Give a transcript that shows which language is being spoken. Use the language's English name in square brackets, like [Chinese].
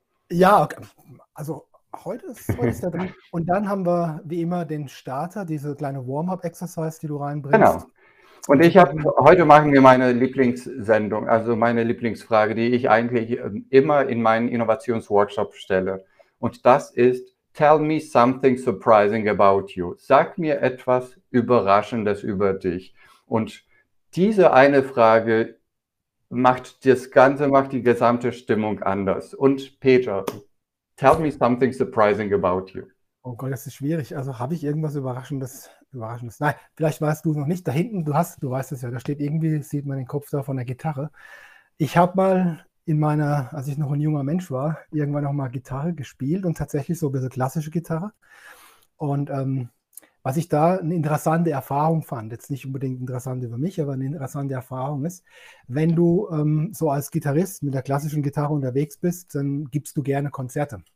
[German] Ja, okay. Also heute ist der dran. Und dann haben wir wie immer den Starter, diese kleine Warm-up-Exercise, die du reinbringst. Genau. Und heute machen wir meine Lieblingssendung, also meine Lieblingsfrage, die ich eigentlich immer in meinen Innovationsworkshop stelle. Und das ist, [English] tell me something surprising about you. [German] Sag mir etwas Überraschendes über dich. Und diese eine Frage macht die gesamte Stimmung anders. Und [English] Peter, tell me something surprising about you. [German] Oh Gott, das ist schwierig. Also habe ich irgendwas Überraschendes? Nein, vielleicht weißt du es noch nicht. Da hinten, du weißt es ja, da steht irgendwie, sieht man den Kopf da von der Gitarre. Ich habe mal als ich noch ein junger Mensch war, irgendwann noch mal Gitarre gespielt und tatsächlich so ein bisschen klassische Gitarre. Und was ich da eine interessante Erfahrung fand, jetzt nicht unbedingt interessant über mich, aber eine interessante Erfahrung ist, wenn du so als Gitarrist mit der klassischen Gitarre unterwegs bist, dann gibst du gerne Konzerte.